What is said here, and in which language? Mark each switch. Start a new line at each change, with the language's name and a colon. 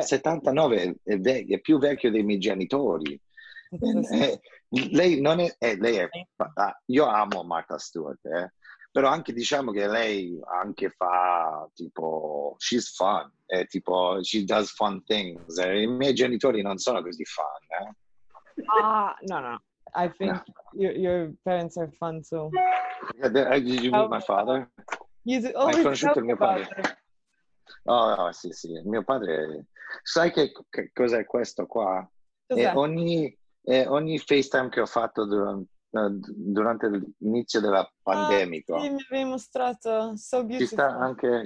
Italian: 79 è più vecchio dei miei genitori. Sì. Lei non è, lei è, io amo Martha Stewart, eh? Però anche diciamo che lei anche fa tipo, she's fun, è tipo, she does fun things. I miei genitori non sono così fun, eh?
English: Ah, no, no, I think no. Your parents are fun too. Yeah, did you meet my father?
Italian: Hai conosciuto il mio padre? Oh, oh, sì, sì, il mio padre. Sai che cos'è questo qua? Cos'è? Ogni FaceTime che ho fatto durante l'inizio della pandemia. Ah, sì, mi avevi mostrato. So beautiful.